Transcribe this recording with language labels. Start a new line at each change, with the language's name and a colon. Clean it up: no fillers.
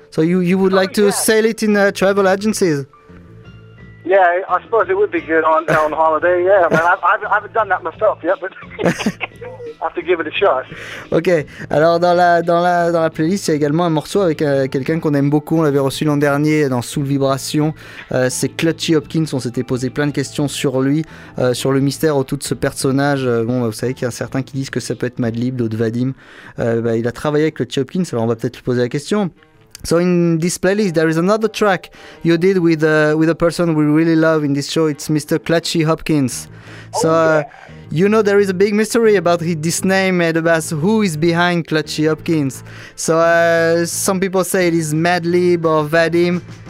English: So you would like to sell it in travel agencies? Yeah, I suppose it would be good on holiday. Yeah, man, I haven't done that myself yet, but I have to give it a shot. Okay.
French: Alors dans la playlist, il y a également un morceau avec quelqu'un qu'on aime beaucoup. On l'avait reçu l'an dernier dans Soul Vibration. C'est Clutchy Hopkins. On s'était posé plein de questions sur lui, sur le mystère autour de ce personnage. Vous savez qu'il y a certains qui disent que ça peut être Madlib, d'autres Vadim. Il a travaillé avec Clutchy Hopkins. Alors on va peut-être lui poser la question.
English: So in this playlist, there is another track you did with a person we really love in this show. It's Mr. Clutchy Hopkins. You know, there is a big mystery about this name and about who is behind Clutchy Hopkins. So some people say it is Madlib or Vadim.